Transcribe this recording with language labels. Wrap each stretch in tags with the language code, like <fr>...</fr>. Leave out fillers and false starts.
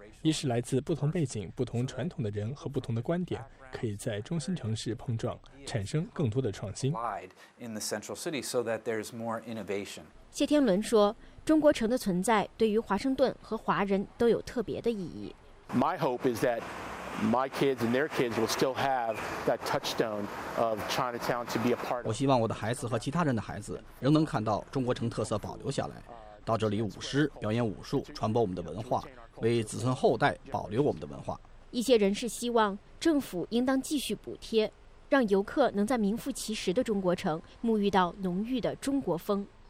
<zh>一是来自不同背景、不同传统的人和不同的观点可以在中心城市碰撞，产生更多的创新。谢天伦说，中国城的存在对于华盛顿和华人都有特别的意义。</zh> <en>My hope is that my kids and their kids will still have that touchstone of Chinatown to be a part of.</en> <zh>我希望我的孩子和其他人的孩子仍能看到中国城特色保留下来，到这里舞狮、表演武术、传播我们的文化，为子孙后代保留我们的文化。一些人士希望政府应当继续补贴，让游客能在名副其实的中国城沐浴到浓郁的中国风。</zh>